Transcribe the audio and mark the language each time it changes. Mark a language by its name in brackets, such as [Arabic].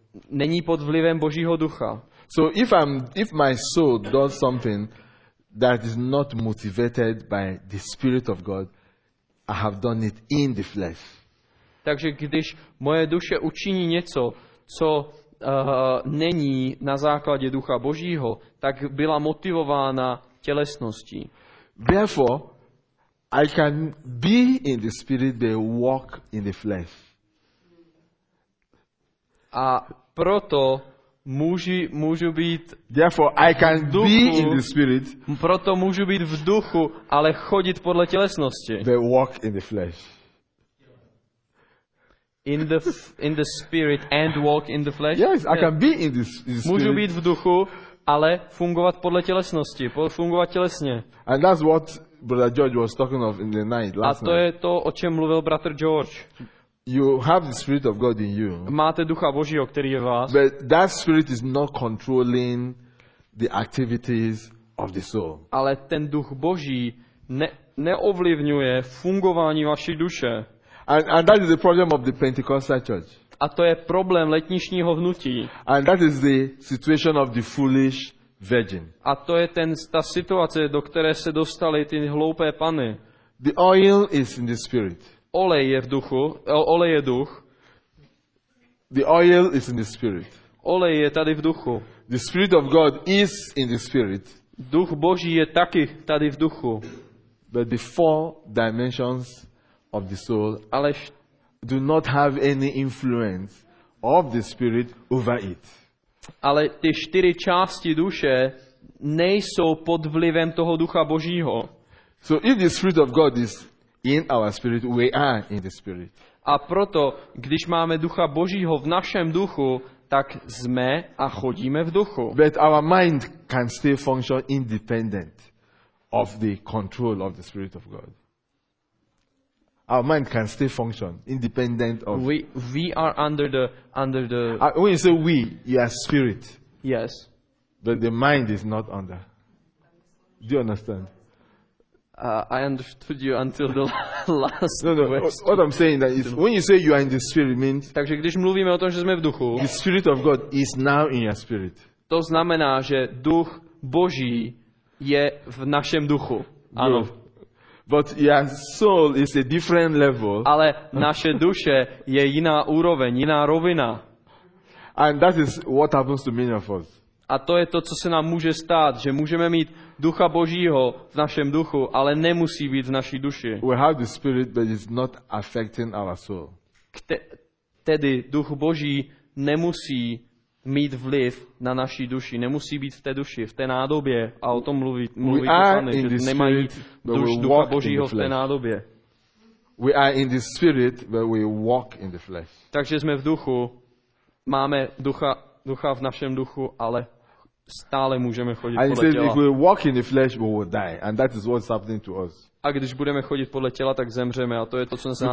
[Czech] Není pod vlivem Božího ducha. [English] So if my soul does something that is not motivated by the spirit of God, I have done it in the flesh. [Czech] Takže když moje duše učiní něco, co není na základě ducha Božího, tak byla motivována tělesností. [English] Therefore, I can be in the spirit but walk in the flesh. [Czech] A proto můžu být. [English] Therefore, I can [Czech] v duchu, [English] be in the spirit. [Czech] Proto můžu být v duchu, ale chodit podle tělesnosti. [English] But walk in the flesh. In the spirit and walk in the flesh. Yes, yeah. I can be in the spirit. [Czech] Můžu být v duchu, ale fungovat podle tělesnosti, fungovat tělesně. [English] And that's what Brother George was talking of in the night last night. [Czech] A to je to, o čem mluvil bratr George. [English] You have the spirit of God in you. [Czech] Máte ducha Božího, který je vás. [English] But that spirit is not controlling the activities of the soul. [Czech] Ale ten duch Boží neovlivňuje fungování vaší duše. [English] And that is the problem of the Pentecostal church. [Czech] A to je problém letničního hnutí. [English] And that is the situation of the foolish virgin. [Czech] A to je ta situace, do které se dostaly ty hloupé panny. [English] The oil is in the spirit. [Czech] Olej je v duchu. Olej je duch. [English] The oil is in the spirit. [Czech] Olej je tady v duchu. [English] The spirit of God is in the spirit. [Czech] Duch Boží je taky tady v duchu. [English] But the four dimensions of the soul do not have any influence of the spirit over it. [Czech] Ale ty čtyři části duše nejsou pod vlivem toho Ducha Božího. [English] So if the spirit of God is in our spirit, we are in the spirit. [Czech] A proto, když máme Ducha Božího v našem duchu, tak jsme a chodíme v duchu. [English] But our mind can still function independent of the control of the spirit of God. Our mind can still function independent of. We are under the. When you say we, you are spirit. Yes. But the mind is not under. Do you understand? I understood you until the last. No. Question. What I'm saying that is, when you say you are in the spirit, means. [Czech] Takže když mluvíme o tom, že jsme v duchu. [English] The spirit of God is now in your spirit. [Czech] To znamená, že duch Boží je v našem duchu. Ano. [English] But your soul is a different level. [Czech] Ale naše duše je jiná úroveň, jiná rovina. [English] And that is what happens to many of us. [Czech] A to je to, co se nám může stát, že můžeme mít Ducha Božího v našem duchu, ale nemusí být v naší duši. [English] We have the spirit, but it's not affecting our soul. [Czech] Tedy Duch Boží nemusí mít vliv na naší duši, nemusí být v té duši, v té nádobě, a o tom mluví pane, že nemají Ducha Božího v té nádobě. [English] We are in the spirit, but we walk in the flesh. [Czech] Takže jsme v duchu, máme ducha v našem duchu, ale stále můžeme chodit [English] and [Czech] podle těla. [English] If we walk in the flesh, we will die, and that is what's happening to us. [Czech] A když budeme chodit podle těla, tak zemřeme, a to je to, co se nám stává.